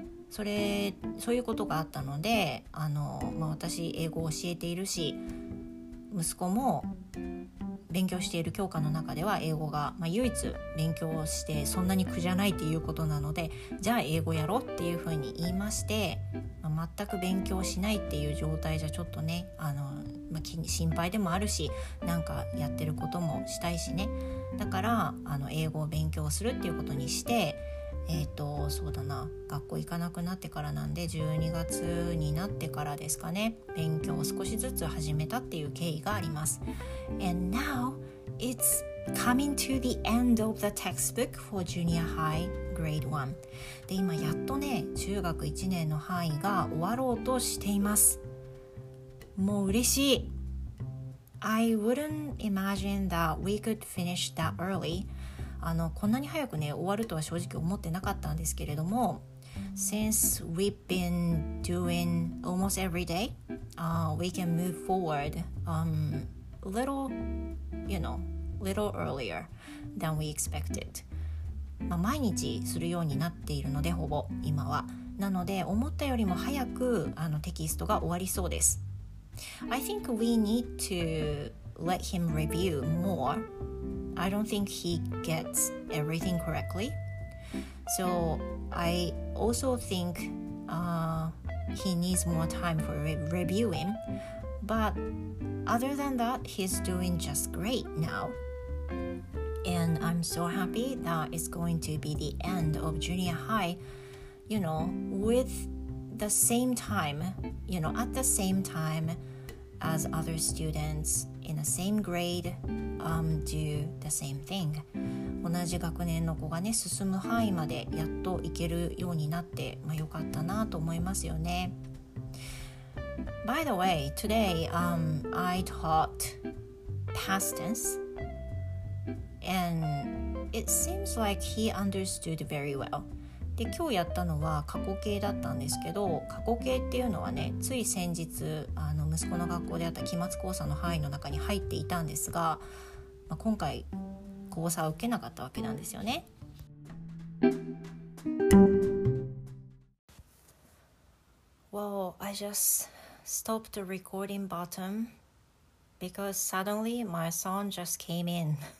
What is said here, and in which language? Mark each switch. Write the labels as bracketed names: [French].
[Japanese] そういうことがあったので、私英語を教えているし、息子も勉強している教科の中では英語が、唯一勉強してそんなに苦じゃないっていうことなので、じゃあ英語やろうっていうふうに言いまして、全く勉強しないっていう状態じゃちょっとね、心配でもあるし、なんかやってることもしたいしね。だから英語を勉強するっていうことにして、そうだな、学校行かなくなってからなんで12月になってからですかね、勉強を少しずつ始めたっていう経緯があります。 [English] And now it's coming to the end of the textbook for junior high grade 1. [Japanese] で今やっとね、中学1年の範囲が終わろうとしています。もう嬉しい。 [English] I wouldn't imagine that we could finish that early [Japanese] こんなに早くね終わるとは正直思ってなかったんですけれども、 [English] Since we've been doing almost every day, we can move forward little earlier than we expected. [Japanese] 毎日するようになっているので、ほぼ今はなので思ったよりも早くテキストが終わりそうです。 [English] I think we need to let him review moreI don't think he gets everything correctly. So I also think he needs more time for reviewing. But other than that, he's doing just great now. And I'm so happy that it's going to be the end of junior high, you know, with the same time, you know, at the same time as other students in the same grade. Do the same thing. [Japanese] 同じ学年の子がね、進む範囲までやっと行けるようになって、よかったなと思いますよね。 [English] By the way, today, I taught past tense, and it seems like he understood very well. [Japanese] で、今日やったのは過去形だったんですけど、過去形っていうのはね、つい先日、息子の学校であった期末考査の範囲の中に入っていたんですが、今回考査を受けなかったわけなんですよね。 [English] Well, I just stopped the recording button because suddenly my son just came in.